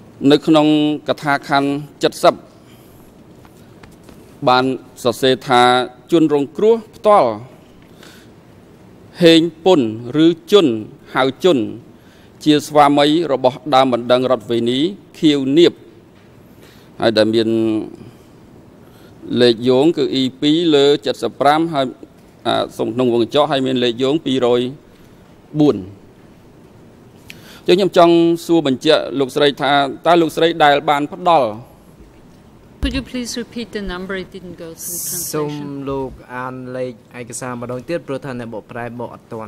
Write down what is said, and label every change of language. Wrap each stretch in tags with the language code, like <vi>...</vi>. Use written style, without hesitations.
<km>នៅក្នុងកថាខណ្ឌ70បានសរសេរថាជនរងគ្រោះផ្ទាល់ហេងពុនឬជនហៅជនជាស្វាមីរបស់ដើមបណ្ដឹងរដ្ឋវេនីខៀវនៀបហើយដែលមាន លេខយោងគឺ E2 លើ75ហើយក្នុងវងចកហើយមានលេខយោង204ចុះខ្ញុំចង់សួរបញ្ជាក់លោកស្រីថាតើលោកស្រីដែលបានផ្ដល់</km> <en>Could you please repeat the number it didn't go through translation</en> <km>សូមលោកអានលេខឯកសារម្ដងទៀតព្រោះថាអ្នកបកប្រែបកអត់ទាន</km>